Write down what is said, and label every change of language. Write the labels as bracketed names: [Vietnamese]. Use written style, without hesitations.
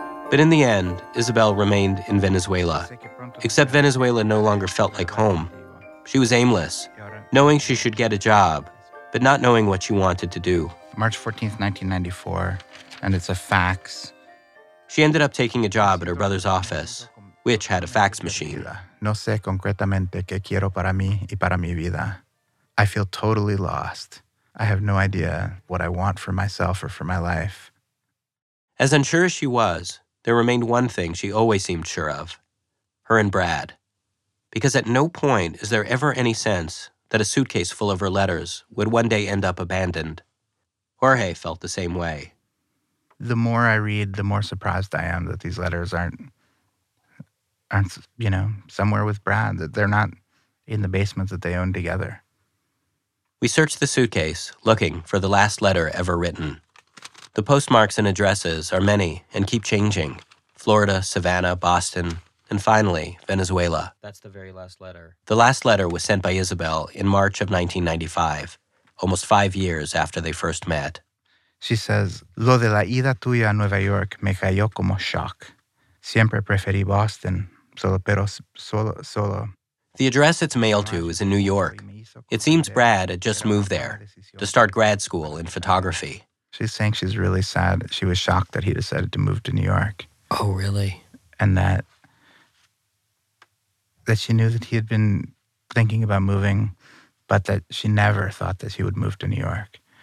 [English] But in the end, Isabel remained in Venezuela. Except Venezuela no longer felt like home. She was aimless, knowing she should get a job, but not knowing what she wanted to do. March 14th, 1994, and it's a fax. She ended up taking a job at her brother's office, which had a fax machine. [Spanish] No sé concretamente qué quiero para mí y para mi vida. [English] I feel totally lost. I have no idea what I want for myself or for my life. As unsure as she was, there remained one thing she always seemed sure of, her and Brad. Because at no point is there ever any sense that a suitcase full of her letters would one day end up abandoned. Jorge felt the same way. The more I read, the more surprised I am that these letters aren't, you know, somewhere with Brad, that they're not in the basement that they own together. We searched the suitcase, looking for the last letter ever written. The postmarks and addresses are many and keep changing. Florida, Savannah, Boston, and finally, Venezuela. That's the very last letter. The last letter was sent by Isabel in March of 1995, almost 5 years after they first met. She says, [Spanish] Lo de la ida tuya a Nueva York me cayó como shock. Siempre preferí Boston, solo. [English] The address it's mailed to is in New York. It seems Brad had just moved there to start grad school in photography. She's saying she's really sad. She was shocked that he decided to move to New York. Oh, really? And that she knew that he had been thinking about moving, but that she never thought that he would move to New York.